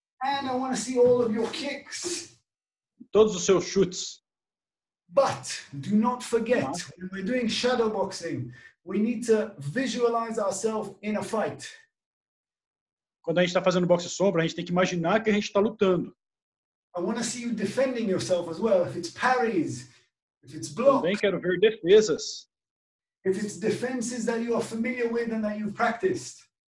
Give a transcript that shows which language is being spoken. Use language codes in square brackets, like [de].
[en] And I want to see all of your kicks. [pt] Todos os seus chutes. [en] But do not forget, when we're doing shadow boxing, we need to visualize ourselves in a fight. [pt] Quando a gente está fazendo boxe sombra, a gente tem que imaginar que a gente está lutando. [en] I want to see you defending yourself as well. If it's parries, if it's blocks. [pt] Também quero ver defesas. [en] If it's defenses that you are familiar with and that you've practiced.